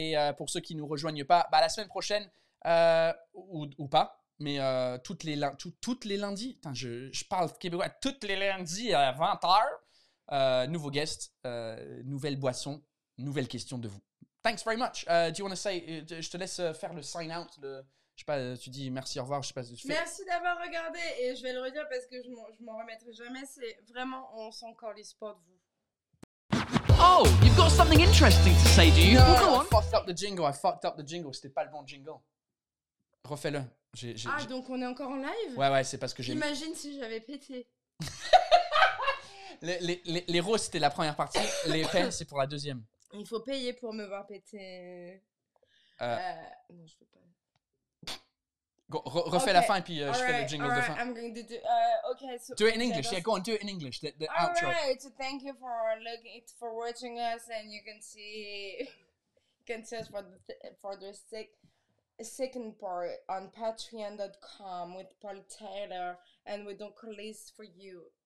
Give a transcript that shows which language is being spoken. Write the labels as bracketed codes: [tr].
[fr] Et pour ceux qui ne nous rejoignent pas, bah, la semaine prochaine, ou pas, mais toutes les lundis, putain, je parle québécois, toutes les lundis à 20h, nouveau guest, nouvelle boisson, nouvelle question de vous. [en] Thanks very much. Do you want to say, [fr] je te laisse faire le sign out, je sais pas, tu dis merci, au revoir, je sais pas. Merci d'avoir regardé, et je vais le redire parce que je m'en remettrai jamais, c'est vraiment, on sent encore les spots de vous. [en] Oh, you've got something interesting to say, do you? No, oh, come on. I fucked up the jingle, [fr] c'était pas le bon jingle. Refais-le. Donc on est encore en live? Ouais, c'est parce que j'ai... Imagine si j'avais pété. les roses, c'était la première partie, les pères, c'est pour la deuxième. Il faut payer pour me voir péter. Non, je peux pas. Refais okay. La fin et puis je fais le jingle de fin. [en] I'm going to do okay. So do it in English. Yeah, go on. Do it in English. The all outro. All right. Thank you for watching us, and you can see us for the second part on patreon.com with Paul Taylor, and we don't call this for you.